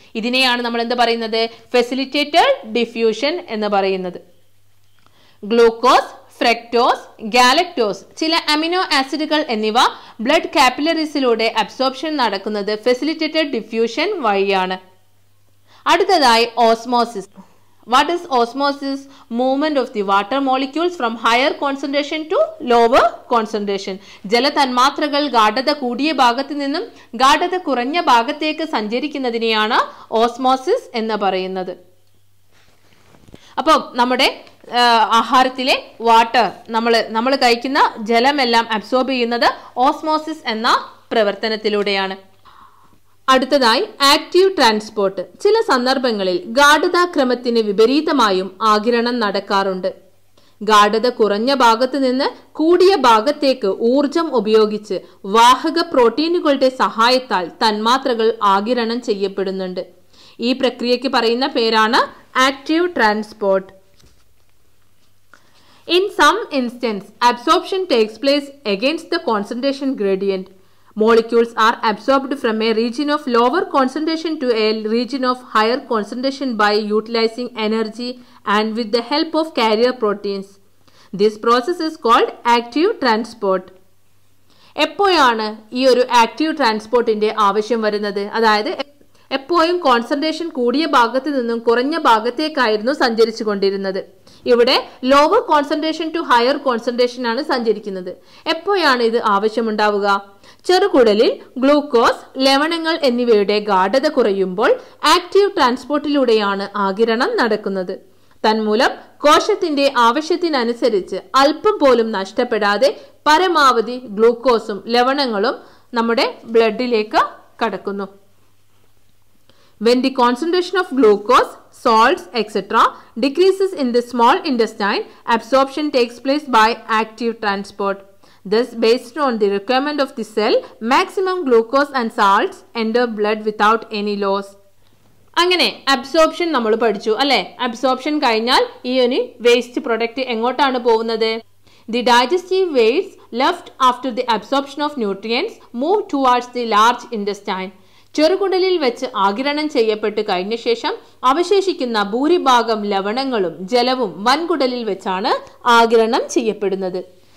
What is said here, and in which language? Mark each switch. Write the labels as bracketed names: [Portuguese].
[Malayalam] ഇതിനെയാണ് നമ്മൾ എന്ത് പറയുന്നത്? ഫെസിലിറ്റേറ്റഡ് ഡിഫ്യൂഷൻ എന്ന് പറയുന്നത്. ഗ്ലൂക്കോസ്, ഫ്രക്ടോസ്, ഗാലക്ടോസ്, ചില അമിനോ ആസിഡുകൾ എന്നിവ ബ്ലഡ് കാപ്പിലറീസിലൂടെ അബ്സോർപ്ഷൻ നടക്കുന്നത് ഫെസിലിറ്റേറ്റഡ് ഡിഫ്യൂഷൻ വഴിയാണ്. അടുത്തതായി osmosis. [English] What is osmosis? Movement of the water molecules from higher concentration to lower concentration. [Malayalam] ജല തന്മാത്രകൾ ഗാഢത കൂടിയ ഭാഗത്ത് നിന്നും ഗാഢത കുറഞ്ഞ ഭാഗത്തേക്ക് സഞ്ചരിക്കുന്നതിനെയാണ് ഓസ്മോസിസ് എന്ന് പറയുന്നത്. അപ്പോൾ നമ്മുടെ ആഹാരത്തിലെ വാട്ടർ, നമ്മൾ കഴിക്കുന്ന ജലമെല്ലാം അബ്സോർബ് ചെയ്യുന്നത് ഓസ്മോസിസ് എന്ന പ്രവർത്തനത്തിലൂടെയാണ്. അടുത്തതായി ആക്റ്റീവ് ട്രാൻസ്പോർട്ട്. ചില സന്ദർഭങ്ങളിൽ ഗാഢതാക്രമത്തിന് വിപരീതമായും ആഗിരണം നടക്കാറുണ്ട്. ഗാഢത കുറഞ്ഞ ഭാഗത്ത് നിന്ന് കൂടിയ ഭാഗത്തേക്ക് ഊർജം ഉപയോഗിച്ച് വാഹക പ്രോട്ടീനുകളുടെ സഹായത്താൽ തന്മാത്രകൾ ആഗിരണം ചെയ്യപ്പെടുന്നുണ്ട്. ഈ പ്രക്രിയയ്ക്ക് പറയുന്ന പേരാണ് active transport. [English] In some instance absorption takes place against the concentration gradient. Molecules are absorbed from a region of lower concentration to a region of higher concentration by utilizing energy and with the help of carrier proteins. This process is called active transport. [Malayalam] എപ്പോഴാണ് ഈ ഒരു active ട്രാൻസ്പോർട്ടിൻ്റെ ആവശ്യം വരുന്നത്? അതായത് എപ്പോഴും concentration കൂടിയ ഭാഗത്ത് നിന്നും കുറഞ്ഞ ഭാഗത്തേക്കായിരുന്നു സഞ്ചരിച്ചു കൊണ്ടിരുന്നത്. ഇവിടെ [English] lower concentration to higher concentration [Malayalam] ആണ് സഞ്ചരിക്കുന്നത്. എപ്പോഴാണ് ഇത് ആവശ്യമുണ്ടാവുക? ചെറുകുടലിൽ ഗ്ലൂക്കോസ്, ലവണങ്ങൾ എന്നിവയുടെ ഗാഢത കുറയുമ്പോൾ ആക്റ്റീവ് ട്രാൻസ്പോർട്ടിലൂടെയാണ് ആഗിരണം നടക്കുന്നത്. തന്മൂലം കോശത്തിൻ്റെ ആവശ്യത്തിനനുസരിച്ച് അല്പം പോലും നഷ്ടപ്പെടാതെ പരമാവധി ഗ്ലൂക്കോസും ലവണങ്ങളും നമ്മുടെ ബ്ലഡിലേക്ക് കടക്കുന്നു. [English] When the concentration of glucose, salts etcetera decreases in the small intestine, absorption takes place by active transport. This based on the requirement of the cell, maximum glucose and salts enter blood without any loss. [Malayalam] അങ്ങനെ absorption നമ്മൾ പഠിച്ചു അല്ലേ. Absorption കഴിഞ്ഞാൽ ഈ ഒരു waste product എങ്ങോട്ടാണ് പോകുന്നത്? [English] The digestive waste left after the absorption of nutrients move towards the large intestine. [Malayalam] ചെറുകുടലിൽ വെച്ച് ആഗിരണം ചെയ്യപ്പെട്ട് കഴിഞ്ഞ ശേഷം അവശേഷിക്കുന്ന ഭൂരിഭാഗം ലവണങ്ങളും ജലവും വൻകുടലിൽ വെച്ചാണ് ആഗിരണം ചെയ്യപ്പെടുന്നത്.